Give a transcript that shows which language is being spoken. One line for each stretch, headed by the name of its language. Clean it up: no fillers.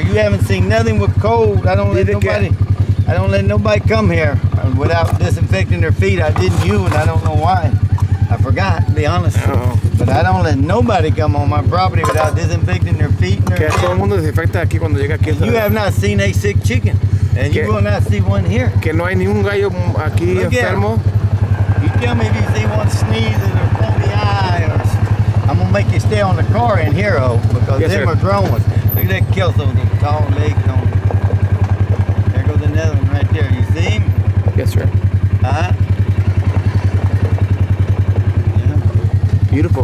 English: You haven't seen nothing with cold. I don't let nobody come here without disinfecting their feet. I didn't you, and I don't know why. I forgot, to be honest. Uh-oh. But I don't let nobody come on my property without disinfecting their feet. You have not seen a sick chicken, and you will not see one here.
Spanish: Que no hay ni un gallo aquí enfermo.
English: You tell me if you see one sneezing or pull the eye, or I'm going to make you stay on the car in here, though, because yes, them are grown ones. Look at that Kelso, the tall legs on. Another one right there. You see him? Yes, sir. Uh-huh. Yeah. Beautiful.